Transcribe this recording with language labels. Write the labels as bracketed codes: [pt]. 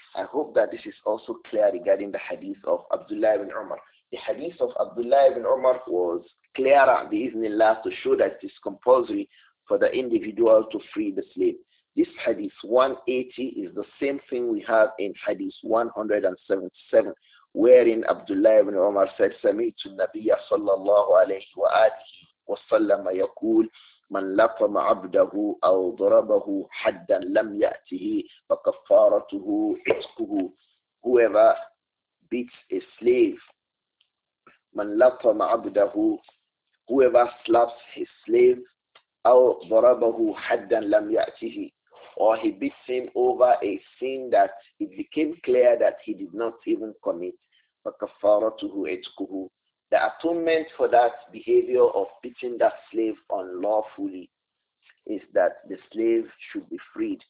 [en] I hope that this is also clear regarding the hadith of Abdullah ibn Umar. The hadith of Abdullah ibn Umar was clearer, bi-iznillah, to show that it is compulsory for the individual to free the slave. This hadith 180 is the same thing we have in hadith 177, wherein Abdullah ibn Umar said, [ar] سَمِيْتُ النَّبِيَّ صَلَّى اللَّهُ عَلَيْهِ وَآلِهِ وَسَلَّمَ يَقُولُ مَنْ لَقَمَ عَبْدَهُ أَوْ ضَرَبَهُ حَدًّا لَمْ يَأْتِهِ فَكَفَّارَتُهُ عِتْقُهُ. [en] Whoever beats a slave, [ar] مَنْ لَقَمَ عَبْدَهُ, [en] whoever slaps his slave, [ar] أَوْ ضَرَبَهُ حَدًّا لَمْ يَأْتِهِ, [en] or he beats him over a sin that it became clear that he did not even commit, [ar] فَكَفَّارَتُهُ عِتْقُهُ, [en] the atonement for that behavior of beating that slave unlawfully is that the slave should be freed.